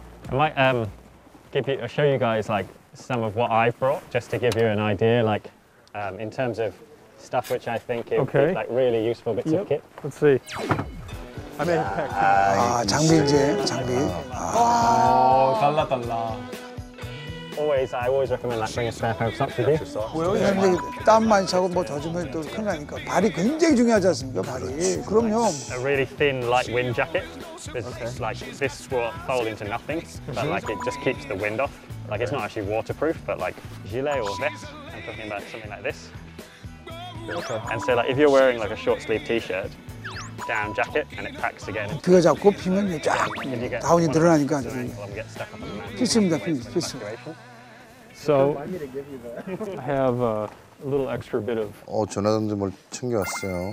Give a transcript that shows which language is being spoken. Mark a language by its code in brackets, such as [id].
[en] I might show you guys like some of what I've brought just to give you an idea, like in terms of stuff which I think is okay. Like really useful bits of kit. Let's see. I mean, yeah. [ko] 아, 장비 이제 장비. 아, 달라 달라. [en] Always, I always recommend like bring a spare pair of socks with you. [ko] 왜요? 근데 땀만 차고 뭐 젖으면 또 큰일 나니까 발이 굉장히 중요하지 않습니까? 발이. 그럼요. [en] A really thin light wind jacket. It's like this will fold into nothing, but like it just keeps the wind off. Like it's not actually waterproof, but like gilet or vest. I'm talking about something like this. Okay. And so, like, if you're wearing like a short sleeve T-shirt, down jacket, and it packs again. [ko] 뒤가 잡고 피면 이제 쫙 다운이 늘어나니까 이제 피스입니다, 피스. [en] So I have a little extra bit of. [ko] 어, 조나단도 뭘 챙겨왔어요.